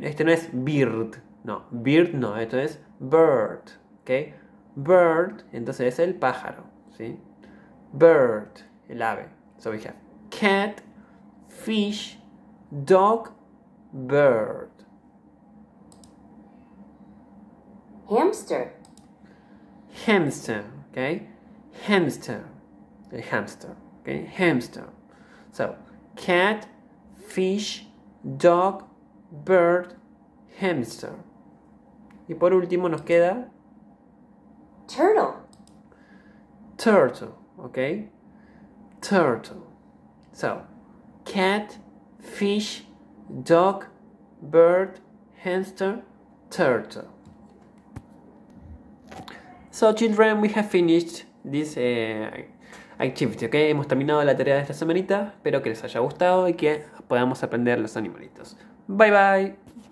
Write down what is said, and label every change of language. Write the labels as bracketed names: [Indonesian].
[Spanish] Este no es bird, no, esto es bird, okay. Bird, entonces es el pájaro, ¿sí? bird, el ave. [English] So we have cat, fish, dog, bird. Hamster. Hamster, okay? Hamster, a hamster, okay? Hamster. So, cat, fish, dog, bird, hamster. [Spanish] Y por último nos queda... [English] Turtle. Turtle, okay? Turtle. So, cat, fish, dog, bird, hamster, turtle. So, children, we have finished this activity, okay? [Spanish] Hemos terminado la tarea de esta semanita. Espero que les haya gustado y que podamos aprender los animalitos. Bye, bye.